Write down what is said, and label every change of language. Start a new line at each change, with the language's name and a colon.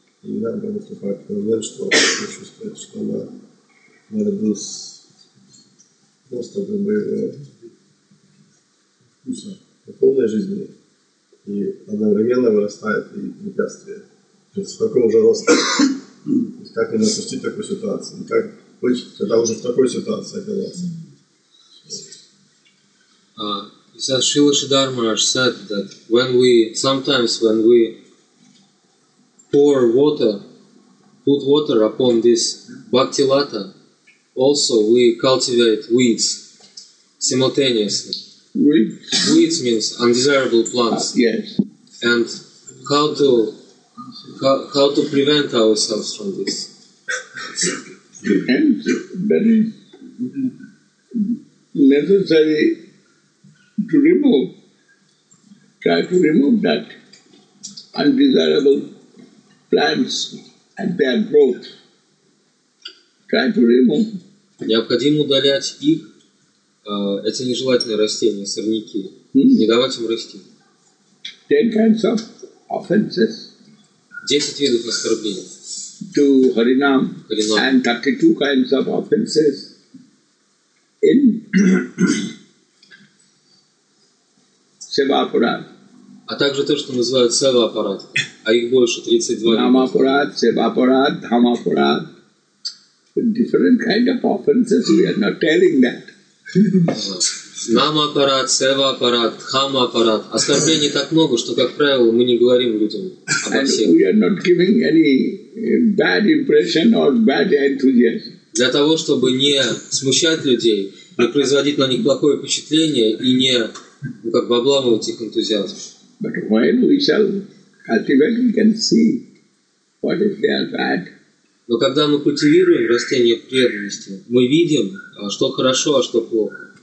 Russian: И иногда выступает момент, что он чувствует, что она вкуса духовной жизни и одновременно вырастает и препятствие. То есть в таком же росте. Как не допустить такую ситуацию? И как быть, когда уже в такой ситуации оказался?
English: He says, Srila Siddhartha Maharaj said that sometimes when we put water upon this bhakti lata, also we cultivate weeds simultaneously. Weeds means undesirable plants. Yes. And how to prevent ourselves from this? Depends. That is necessary to remove. Try to remove that undesirable plants and their growth. Try to remove.
Russian: Необходимо удалять их, эти нежелательные растения, сорняки, не давать им расти.
English: 10 kinds of offenses.
Russian: 10 видов оскорблений.
English: To Harinam. And 32 kinds of offenses in Seva Aparad.
Russian: А также то, что называют Seva Aparad, а их больше 32.
English: Nama Aparad, Seva Aparad, Dhamma Aparad. Different kind of offenses, we are not telling that.
Russian: Нама аппарат, сева аппарат, хама аппарат. Оскорблений так много, что, как правило, мы не говорим людям обо всех.
English: We are not giving any bad impression or bad enthusiasm.
Russian: Для того, чтобы не смущать людей, не производить на них плохое впечатление и не, ну, как бы обламывать их энтузиазм.
English: But when we shall cultivate, we can see what if they are bad.
Russian: Но когда мы культивируем растения преданности, мы видим, что хорошо, а что плохо.